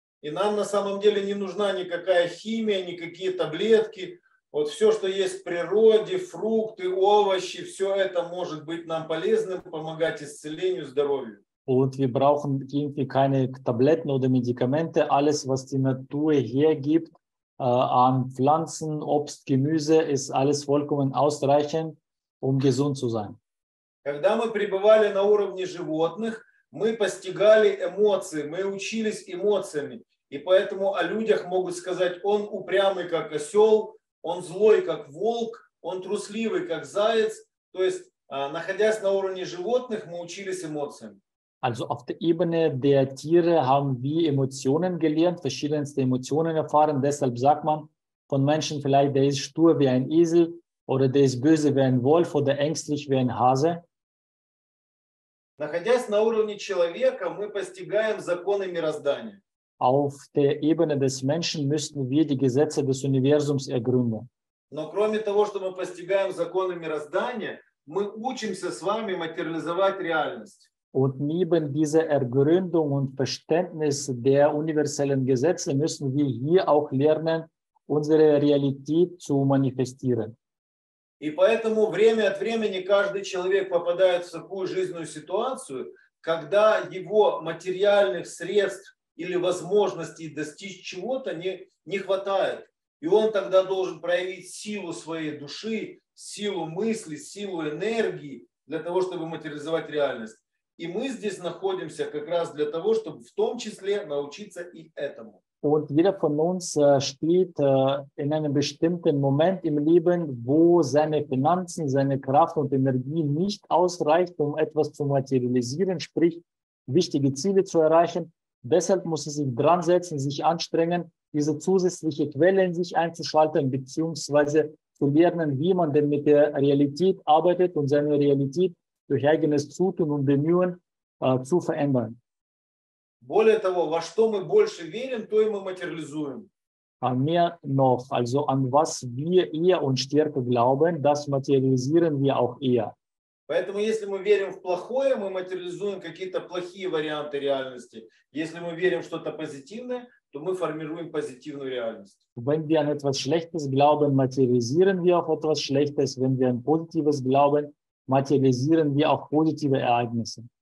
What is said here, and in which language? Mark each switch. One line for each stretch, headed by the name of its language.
Russian: И нам на самом деле не нужна никакая химия, никакие таблетки. Вот все, что есть в природе, фрукты, овощи, все это может быть нам полезным, помогать исцелению, здоровью.
German: Und wir brauchen irgendwie keine Tabletten oder Medikamente. Alles, was die Natur hergibt, an Pflanzen, Obst, Gemüse, ist alles vollkommen ausreichend. Gesund zu sein.
Russian: Когда мы пребывали на уровне животных, мы постигали эмоции, мы учились эмоциями, и поэтому о людях могут сказать: он упрямый, как осел, он злой, как волк, он трусливый, как заяц. То есть, находясь на уровне животных, мы учились эмоциями.
German: Also auf der Ebene der Tiere haben wir Emotionen gelernt, verschiedenste Emotionen erfahren. Deshalb sagt man von Menschen vielleicht, der ist stur wie ein Esel. Oder der ist böse wie ein Wolf oder ängstlich wie ein Hase.
Russian: Находясь на уровне человека, мы постигаем законы мироздания.
German: Auf der Ebene des Menschen müssten wir die Gesetze des Universums ergründen.
Russian: Но кроме того, что мы постигаем законы мироздания, мы учимся с вами материализовать реальность.
German: Und neben dieser Ergründung und Verständnis der universellen Gesetze müssen wir hier auch lernen, unsere Realität zu manifestieren.
Russian: И поэтому время от времени каждый человек попадает в такую жизненную ситуацию, когда его материальных средств или возможностей достичь чего-то не хватает. И он тогда должен проявить силу своей души, силу мысли, силу энергии для того, чтобы материализовать реальность. И мы здесь находимся как раз для того, чтобы в том числе научиться и этому.
German: Und jeder von uns steht in einem bestimmten Moment im Leben, wo seine Finanzen, seine Kraft und Energie nicht ausreicht, um etwas zu materialisieren, sprich wichtige Ziele zu erreichen. Deshalb muss er sich dran setzen, sich anstrengen, diese zusätzliche Quelle in sich einzuschalten, beziehungsweise zu lernen, wie man denn mit der Realität arbeitet und seine Realität durch eigenes Zutun und Bemühen zu verändern.
Russian: Более того, во что мы больше верим, то и мы материализуем.
German: А mehr noch, also an was wir eher und stärker glauben, das materialisieren wir auch eher.
Russian: Поэтому, если мы верим в плохое, мы материализуем какие-то плохие варианты реальности. Если мы верим в что-то позитивное, то мы формируем позитивную реальность.
German: Wenn wir an etwas Schlechtes glauben, materialisieren wir auch etwas Schlechtes. Wenn wir an Positives glauben, materialisieren wir auch positive Ereignisse.